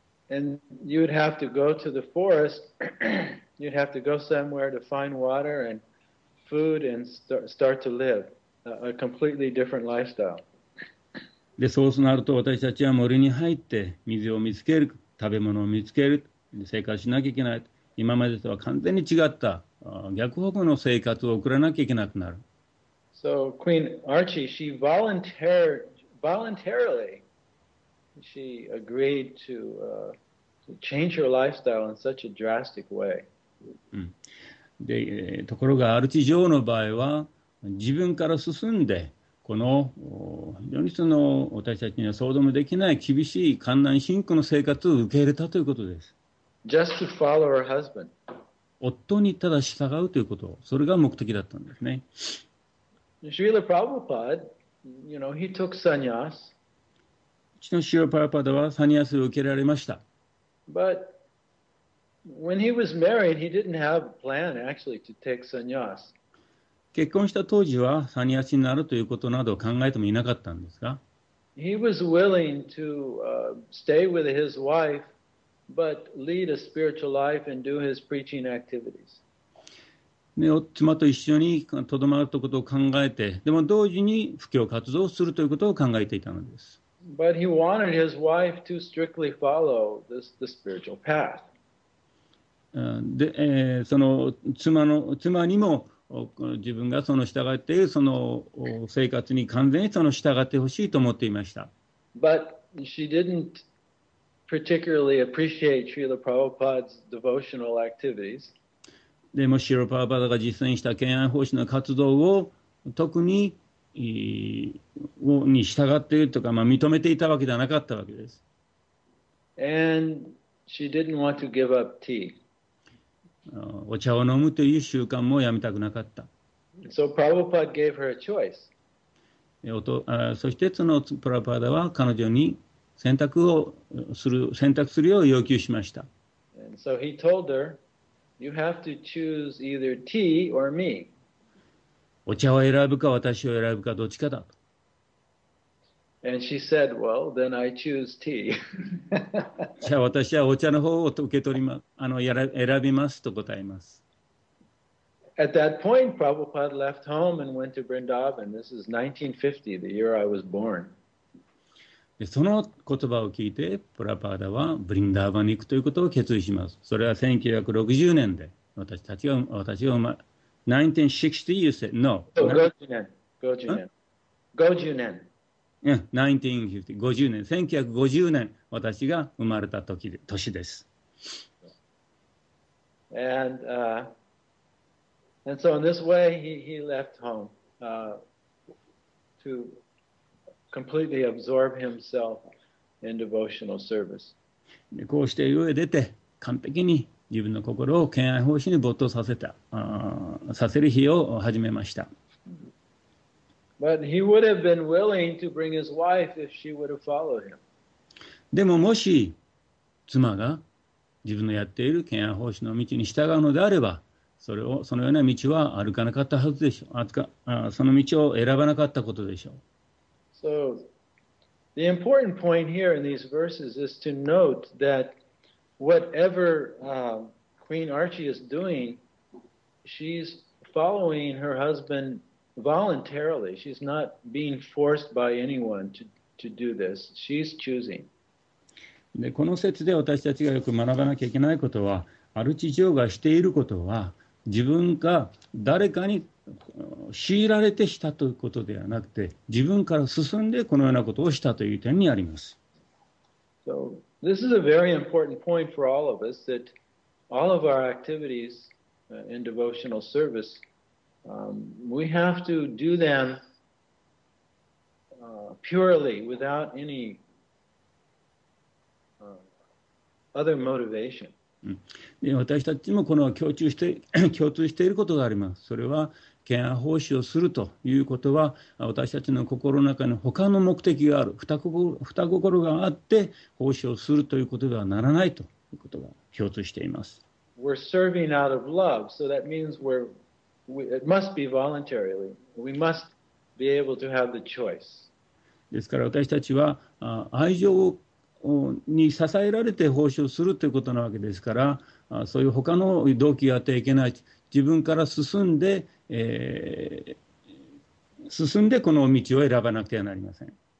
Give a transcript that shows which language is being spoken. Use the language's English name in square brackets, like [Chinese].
[English] And you'd have to go to the forest, you'd have to go somewhere to find water and food and start to live. A completely different lifestyle. [Japanese] で、そうなると私たちは森に入って水を見つける、食べ物を見つける、生活しなきゃいけない。今までとは完全に違った逆方向の生活を送らなきゃいけなくなる。 [English] So Queen Archie, she voluntarily, she agreed to change her lifestyle in such a drastic way. [Japanese] で、ところがアルチ女王の場合は自分から進んで、この非常にその私たちには想像もできない厳しい艱難辛苦の生活を受け入れたということです。 [English] Just to follow her husband. [Japanese] 夫にただ従うということ、それが目的だったんですね。 [English] Srila Prabhupada, you know, he took sannyas. [Japanese] うちのシーラ・プラパダはサニアスを受けられました。 [English] But when he was married, he didn't have a plan actually to take sannyas. [Japanese] 結婚した当時はサニアシになるということなどを考えてもいなかったんですが [English] He was willing to stay with his wife but lead a spiritual life and do his preaching activities. [Japanese] 妻と一緒にとどまるということを考えて、でも同時に布教活動をするということを考えていたのです。 [English] But he wanted his wife to strictly follow the spiritual path. [Japanese] で、その妻にも自分がその従っているその生活に完全にその従ってほしいと思っていました。 [English] But she didn't particularly appreciate Srila Prabhupada's devotional activities. [Japanese] でもシーラ・プラパダが実践した敬愛奉仕の活動を特に、に従っているとか、まあ、認めていたわけではなかったわけです。 [English] And she didn't want to give up tea. [Japanese] お茶を飲むという習慣もやめたくなかった。 [English] So Prabhupada gave her a choice. [Japanese] そしてそのプラパダは彼女に選択するよう要求しました。 [English] And so he told her, you have to choose either tea or me. [Japanese] お茶を選ぶか私を選ぶかどっちかだと。 [English] And she said, well, then I choose tea. [Japanese] じゃあ私はお茶の方を受け取ります。選びますと答えます。 [English] At that point, Prabhupada left home and went to Vrindavan. This is 1950, the year I was born. [Japanese] でその言葉を聞いて、プラパーダはブリンダーバンに行くということを決意します。それは1960年で私たちが、私が [English] 1960, you said? No. [Japanese] Goju年。1950年。私が生まれた時で年です。 [English] And, and so in this way, he left home, to completely absorb himself in devotional service. [Japanese] で、こうして家を出て、完璧に自分の心を敬愛奉仕に没頭させた、させる日を始めました。 [English] But he would have been willing to bring his wife if she would have followed him. [Japanese] でももし妻が自分のやっている敬愛奉仕の道に従うのであれば、それをそのような道は歩かなかったはずでしょう。その道を選ばなかったことでしょう。 [English] So, the important point here in these verses is to note that whatever Queen Archie is doing, she's following her husband voluntarily. She's not being forced by anyone to do this. She's choosing. [Japanese] で、この説で私たちがよく学ばなきゃいけないことは、アルチ・ジョーがしていることは、自分が誰かに強いられてしたということではなくて、自分から進んでこのようなことをしたという点にあります。 [English] So, this is a very important point for all of us, that all of our activities in devotional service, we have to do them purely, without any... Other motivation. [Japanese] 私たちもこの共通していることがあります。それは敬愛奉仕をするということは、私たちの心の中に他の目的がある、二心があって奉仕をするということではならないということが共通しています。 [English] We're serving out of love, so that means it must be voluntarily. We must be able to have the choice. [Japanese] ですから私たちは愛情をに支えられて奉仕をするということなわけですから、そういう他の動機があってはいけない。自分から進んでこの道を選ばなくてはなりません。